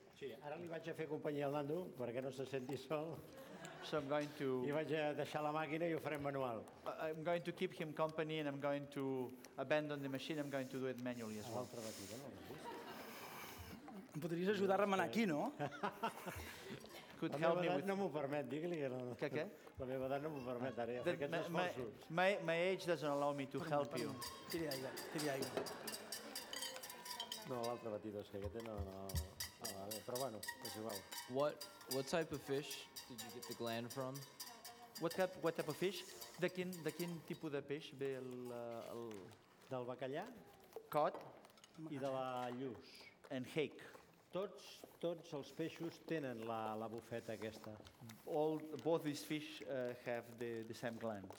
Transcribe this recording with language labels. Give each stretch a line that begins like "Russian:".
Catalan: Sí, ara li vaig a fer companyia al Nando perquè no se senti sol.
English: So I'm going to...
Catalan: I vaig a deixar la màquina i ho farem manual.
English: I'm going to keep him company and I'm going to abandon the machine. I'm going to do it manually as well.
Catalan: A l'altra no? Em podries ajudar a remenar aquí, no?
English: Could help me with...
Catalan: No m'ho permet, digue-li. Que no. Què? La meva edat no m'ho permet, ara ja faig aquests esforços.
English: My age doesn't allow me to help you.
Catalan: Tiri aigua. No, l'altre batidor, és que aquest no... Però bueno, és igual.
English: What type of fish did you get the gland from? What type of fish?
Catalan: De quin tipus de peix ve el... Del bacallà.
English: Cod.
Catalan: I de la lluç.
English: And hake.
Catalan: Tots els peixos tenen la bufeta aquesta.
English: Both these fish have the same gland.